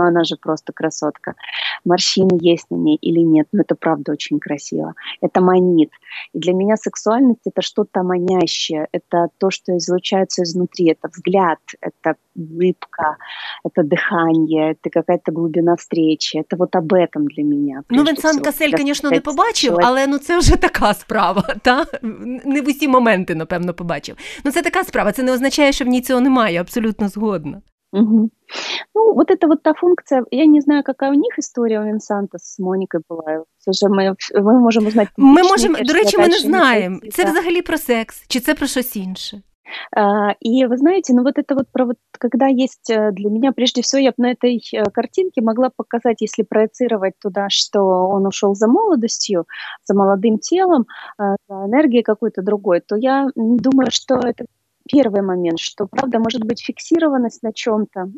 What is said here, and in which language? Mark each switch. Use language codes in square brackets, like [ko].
[ru] Ну она же просто красотка. Морщины есть на ней или нет, но это правда очень красиво. Это манит. И для меня сексуальность – это что-то манящее, это то, что излучается изнутри, это взгляд, это улыбка, это дыхание, это какая-то глубина встречі. [uk] Це от об этом для мене. Ну, Венсан Касель, звісно, не побачив, але ну, це вже така справа. Та? Не в усі моменти, напевно, побачив. Ну, це така справа. Це не означає, що в ній цього немає. Абсолютно згодна. Угу. [ru] Ну, вот это вот та функция, я не знаю, какая у них история у Винсента с Моникой была, все же мы можем узнать. Мы можем, до речи, мы не знаем, пойти, це да. [uk] Взагалі про секс, чи це про щось інше. [ru] И вы знаете, ну вот это вот про вот, когда есть для меня, прежде всего, я бы на этой картинке могла показать, если проецировать туда, что он ушел за молодостью, за молодым телом, за энергией какой-то другой, то я думаю, что это первый момент, что правда может быть фиксированность на чем-то.